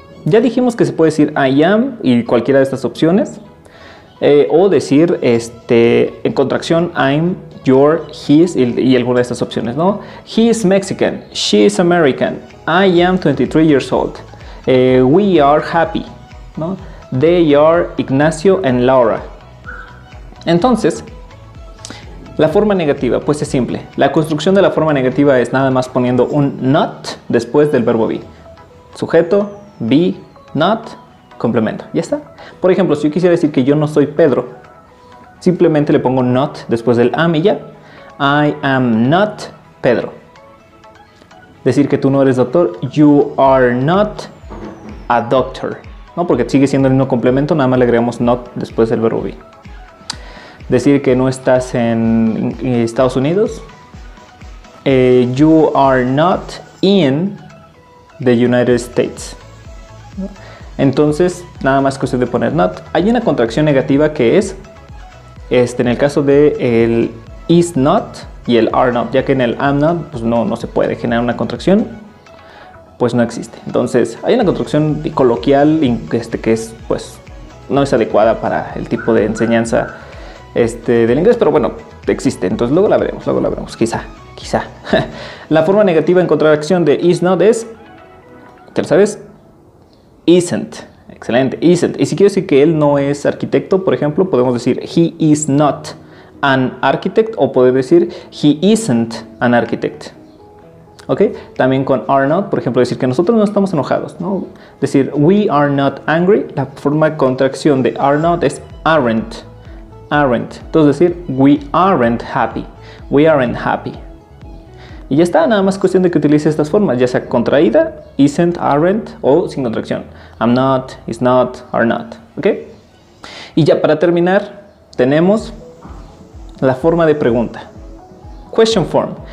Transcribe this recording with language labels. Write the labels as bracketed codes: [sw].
[es] Ya dijimos que se puede decir I am y cualquiera de estas opciones. O decir en contracción I'm, your, his y alguna de estas opciones, ¿no? [en] He is Mexican, she is American, I am 23 years old, we are happy, [es] ¿no? [en] They are Ignacio and Laura. [es] Entonces, la forma negativa, pues es simple. La construcción de la forma negativa es nada más poniendo un not después del verbo be. Sujeto, be, not, complemento. ¿Ya está? Por ejemplo, si yo quisiera decir que yo no soy Pedro, simplemente le pongo not después del am y ya. [en] I am not Pedro. [es] Decir que tú no eres doctor, [en] you are not a doctor. [es] No, porque sigue siendo el mismo complemento, nada más le agregamos not después del verbo be. Decir que no estás en Estados Unidos. [en] You are not in the United States. [es] Entonces, nada más que usted de poner not. Hay una contracción negativa que es, en el caso de el is not y el are not. Ya que en el am not, pues no se puede generar una contracción. Pues no existe. Entonces, hay una contracción coloquial que es, pues, no es adecuada para el tipo de enseñanza del inglés, pero bueno, existe. Entonces luego la veremos, quizá. La forma negativa en contracción de is not es, ¿te lo sabes? Isn't. Excelente, isn't. Y si quiero decir que él no es arquitecto, por ejemplo, podemos decir [en] he is not an architect, [es] o poder decir [en] he isn't an architect. [es] ¿Ok? También con are not, por ejemplo, decir que nosotros no estamos enojados, ¿no? Decir [en] we are not angry, [es] la forma de contracción de [en] are not es aren't. Aren't. [es] Entonces decir, [en] we aren't happy. We aren't happy. [es] Y ya está, nada más cuestión de que utilice estas formas, ya sea contraída, isn't, aren't, o sin contracción. [en] I'm not, is not, are not. [es] ¿Ok? Y ya para terminar, tenemos la forma de pregunta. [en] Question form.